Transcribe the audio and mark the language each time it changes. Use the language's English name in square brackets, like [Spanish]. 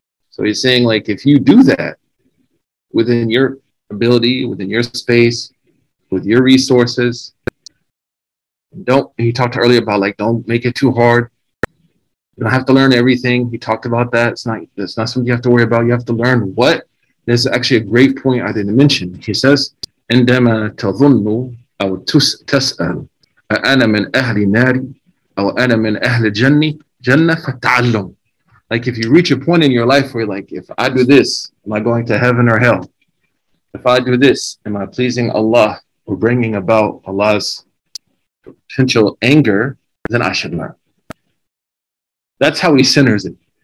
[English] So he's saying, like, if you do that within your ability, within your space, with your resources, he talked earlier about, like, don't make it too hard. You don't have to learn everything. He talked about that. It's not something you have to worry about. You have to learn what. This is actually a great point I didn't mention. He says, [Arabic] عندما تظن أو تسأل أنا من أهل النار أو أنا من أهل الجنة جنة فتعلم. [English] Like if you reach a point in your life where you're like, if I do this, am I going to heaven or hell? If I do this, am I pleasing Allah or bringing about Allah's potential anger? Then I should learn. That's how he centers it.